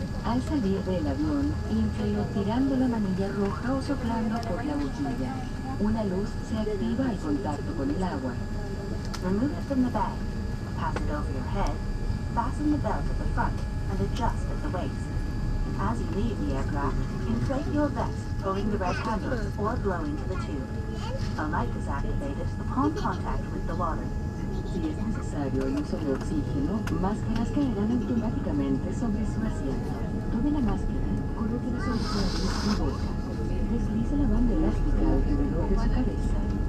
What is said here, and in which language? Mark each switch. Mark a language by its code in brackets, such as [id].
[es] Al salir del avión, inflelo tirando la manilla roja o soplando por la boquilla. Una luz se activa al contacto con el agua. [en] Remove it from the bag. Pass it over your head. Fasten the belt at the front and adjust at the waist. As you leave the aircraft, inflate your vest, pulling the red handle or blowing to the tube. A light is activated upon contact with the water. [es] Si es necesario el uso de oxígeno, máscaras caerán automáticamente sobre su asiento. Tome la máscara, colóquela sobre su nariz y boca. Deslice la banda elástica alrededor de su cabeza.